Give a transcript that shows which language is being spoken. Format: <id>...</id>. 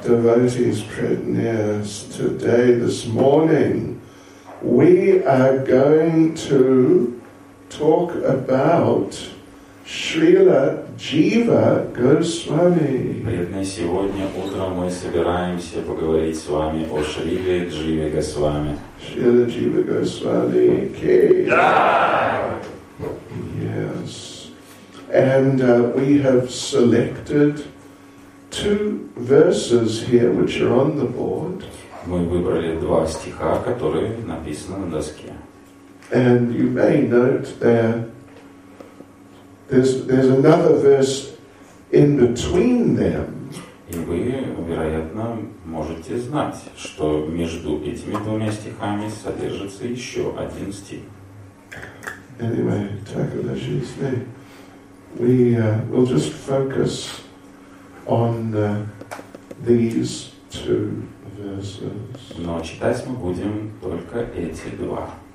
<en>Devotees, Pritneas, today, this morning, we are going to talk about Srila Jiva Goswami.</en> <ru>Pritneas, сегодня утром мы собираемся поговорить с вами о Шриле Дживе Госвами.</ru> <en>Srila Jiva Goswami. Okay. Yes. And we have selected two verses here, which are on the board.</en> <ru>Мы выбрали два стиха, которые написаны на доске.</ru> <en>And you may note there's another verse in between them.</en> <ru>И вы, вероятно, можете знать, что между этими двумя стихами содержится еще один стих.</ru> <en>Anyway, Takalashi is there. We will just focus on these two verses.</en> <ru>Но читать мы будем только эти два.</ru>